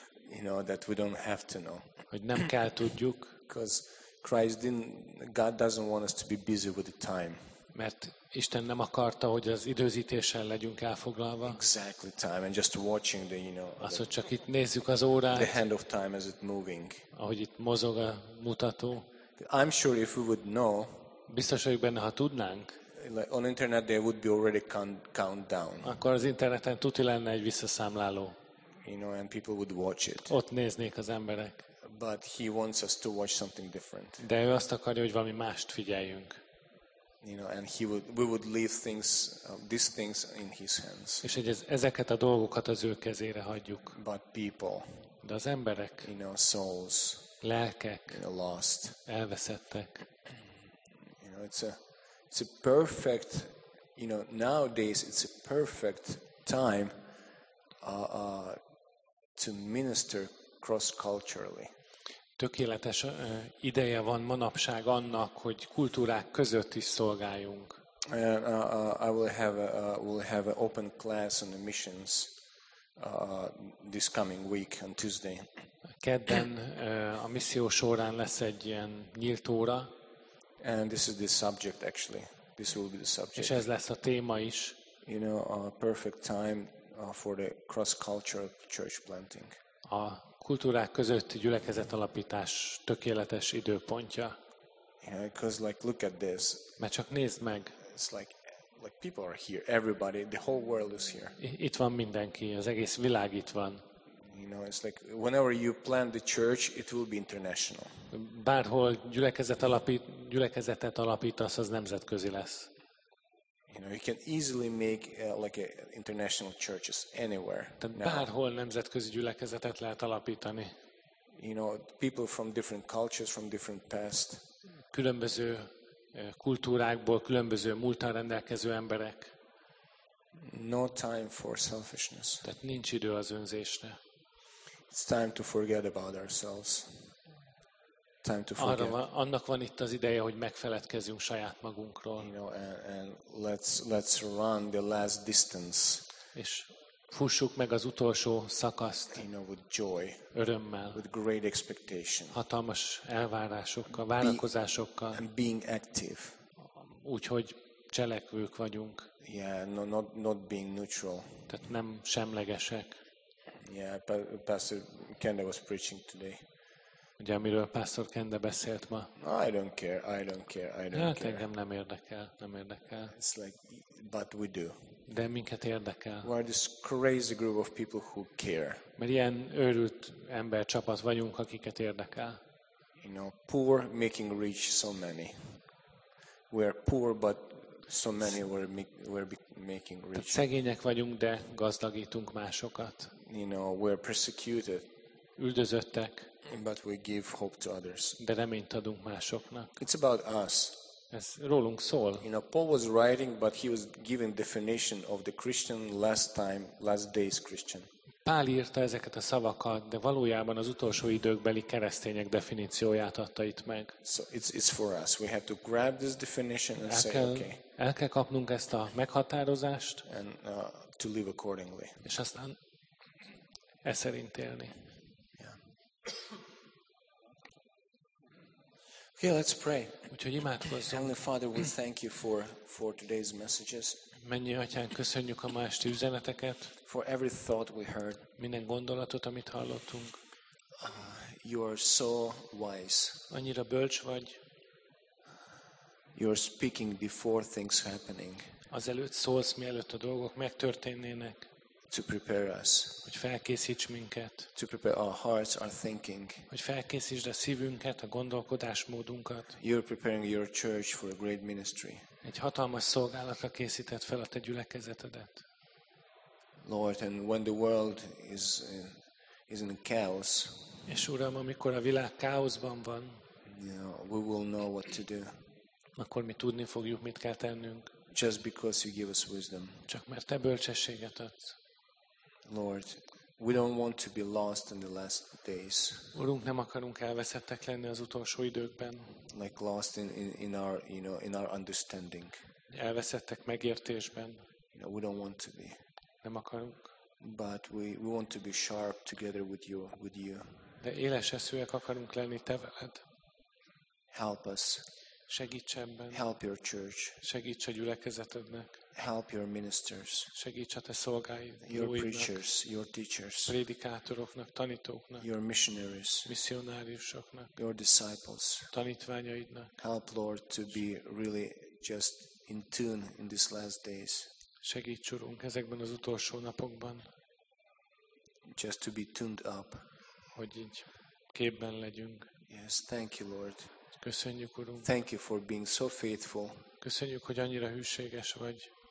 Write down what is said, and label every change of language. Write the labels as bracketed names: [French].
[English] You know that we don't have to know. [Hungarian] Hogy nem kell tudjuk. [English] Because Christ didn't, God doesn't want us to be busy with the time. [Hungarian] Mert Isten nem akarta, hogy az időzítéssel legyünk elfoglalva. [English] Exactly time and just watching the, you know. [Hungarian] Az, hogy csak itt nézzük az órát. [English] The hand of time as it moving. [Hungarian] Ahogy itt mozog a mutató. [English] I'm sure if we would know. [Hungarian] Biztos vagyok benne, ha tudnánk. [English] Like on internet there would be already countdown. [Hungarian] Akkor az interneten tuti lenne egy visszaszámláló. [English] You know, and people would watch it. [Hungarian] Ott néznék az emberek. [English] But he wants us to watch something different. [Hungarian] De ő azt akarja, hogy valami mást figyeljünk. [English] You know, and we would leave things, these things in his hands. [Hungarian] És hogy ezeket a dolgokat az ő kezére hagyjuk. [English] But people. [Hungarian] De az emberek. [English] You know, souls. [Hungarian] Lelkek. [English] You know, lost. [Hungarian] Elveszettek. [English] You know, it's a perfect, you know, nowadays it's a perfect time to minister cross-culturally. [Hungarian] Tökéletes ideje van manapság annak, hogy kultúrák között is szolgáljunk. [English] I will have an open class on the missions this coming week on Tuesday. [Hungarian] Kedden a misszió során lesz egy ilyen nyílt óra. [English] And this is the subject actually. This will be the subject. [Hungarian] És ez lesz a téma is. [English] You know, a perfect time for the cross-cultural church planting. [Hungarian] A kultúrák közötti gyülekezet alapítás tökéletes időpontja. [English] Yeah, because like look at this. [Hungarian] Mert csak nézd meg. [English] It's like people are here. Everybody, the whole world is here. [Hungarian] Itt van mindenki, az egész világ itt van. [English] You know, it's like whenever you plant the church, it will be international. [Hungarian] Bárhol gyülekezetet alapítasz, az nemzetközi lesz. [English] You know, you can easily make like international churches anywhere. [Hungarian] Bárhol nemzetközi gyülekezetet lehet alapítani. [English] You know, people from different cultures, from different past. [Hungarian] Különböző kultúrákból, különböző múlttal rendelkező emberek. [English] No time for selfishness. [Hungarian] Tehát nincs idő az önzésre. [English] It's time to forget about ourselves. time to forget. [Hungarian] Annak van itt az ideje, hogy megfeledkezzünk saját magunkról. [English] You know, and let's run the last distance. [Hungarian] És fussuk meg az utolsó szakaszt. [English] You know, with joy, [Hungarian] örömmel, [English] with great expectation, [Hungarian] hatalmas elvárásokkal, várakozásokkal. [English] And being active. [Hungarian] Úgyhogy cselekvők vagyunk. [English] Yeah, no, not being neutral. [Hungarian] Tehát nem semlegesek. [English] Yeah, Pastor Kende was preaching today. [Hungarian] Ugye, amiről Pastor Kende beszélt ma? [English] I don't care. [Hungarian] Engem nem érdekel. [English] It's like, but we do. [Hungarian] De minket érdekel. [English] We are this crazy group of people who care. [Hungarian] Mert ilyen őrült embercsapat vagyunk, akiket érdekel. [English] You know, poor making rich so many. We are poor, but so many were making rich. [Hungarian] Szegények vagyunk, de gazdagítunk másokat. [English] You know, we're persecuted. [Hungarian] Üldözöttek. [English] But we give hope to others. [Hungarian] De reményt adunk másoknak. [English] It's about us. [Hungarian] Ez rólunk szól. [English] You know, Paul was writing, but he was giving definition of the Christian last time, last days Christian. [Hungarian] Pál írta ezeket a szavakat, de valójában az utolsó időkbeli keresztények definícióját adta itt meg. [English] So it's for us. We have to grab this definition and say, okay. [Hungarian] El kell kapnunk ezt a meghatározást, [English] and to live accordingly. [Hungarian] És aztán e szerint élni. [English] Yeah. Okay, let's pray. [Hungarian] Úgyhogy imádkozzunk. [English] Heavenly Father, we thank you for today's messages. [Hungarian] Mennyi atyán, köszönjük a ma esti üzeneteket. [English] For every thought we heard. [Hungarian] Minden gondolatot, amit hallottunk. [English] You are so wise. [Hungarian] Annyira bölcs vagy. [English] You're speaking before things happening. [Hungarian] Azelőtt szólsz, mielőtt a dolgok megtörténnének. [English] To prepare us. [Hungarian] Hogy felkészíts minket. [English] To prepare our hearts, our thinking. [Hungarian] Hogy felkészítsd a szívünket, a gondolkodásmódunkat. [English] You're preparing your church for a great ministry. [Hungarian] Egy hatalmas szolgálatra készített fel a te gyülekezetedet. [English] Lord, and when the world is in chaos. [Hungarian] És Uram, amikor a világ káoszban van. [English] You know, we will know what to do. [Hungarian] Akkor mi tudni fogjuk, mit kell tennünk. [English] Just because you give us wisdom. [Hungarian] Csak mert te bölcsességet adsz. [English] Lord, we don't want to be lost in the last days. [Hungarian] Urunk, nem akarunk elveszettek lenni az utolsó időkben. [English] Like lost in our, you know, in our understanding. [Hungarian] Elveszettek megértésben. [English] You know, we don't want to be. [Hungarian] Nem akarunk. [English] But we want to be sharp together with you. [Hungarian] De éles eszűek akarunk lenni te veled. [English] Help us. [Hungarian] Segíts ebben. [English] Help your church. [Hungarian] Segíts a gyülekezetednek. [English] Help your ministers. [Hungarian] Segíts a te szolgáidnak. [English] Your preachers, your teachers. [Hungarian] Prédikátoroknak, tanítóknak. [English] Your missionaries. [Hungarian] Missionáriusoknak. [English] Your disciples. [Hungarian] Tanítványaidnak. [English] Help Lord to be really just in tune in these last days. [Hungarian] Segíts Urunk ezekben az utolsó napokban. [English] Just to be tuned up. [Hungarian] Hogy így képben legyünk. [English] Yes, thank you Lord. [Hungarian] Köszönjük, Urunk. [English] Thank you for being so faithful. [Hungarian] Köszönjük, hogy annyira hűséges vagy.